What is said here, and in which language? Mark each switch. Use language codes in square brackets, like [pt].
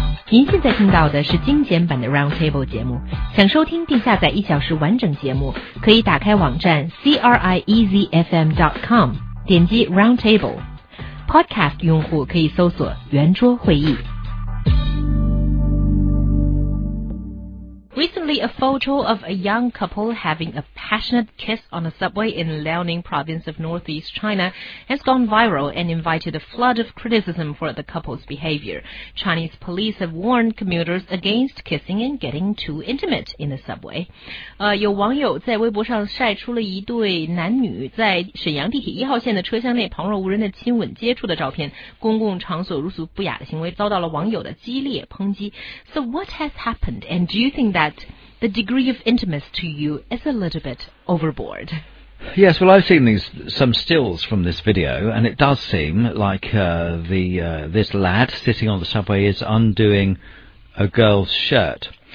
[zh] 您现在听到的是精简版的 Roundtable 节目，想收听并下载一小时完整节目，可以打开网站 CRIEZFM.com， 点击 Roundtable。 Podcast 用户可以搜索圆桌会议。 [en] Recently, a photo of a young couple having a passionate kiss on a subway in Liaoning province of northeast China has gone viral and invited a flood of criticism for the couple's behavior. Chinese police have warned commuters against kissing and getting too intimate in the subway. [zh] 有网友在微博上晒出了一对男女在沈阳地铁一号线的车厢内旁若无人的亲吻接触的照片，公共场所如此不雅的行为遭到了网友的激烈抨击。 [en] So what has happened, and do you think that the degree of intimacy to you is a little bit overboard? Yes, well, I've seen some stills from this video, and it does seem like this lad sitting on the subway is undoing a girl's shirt.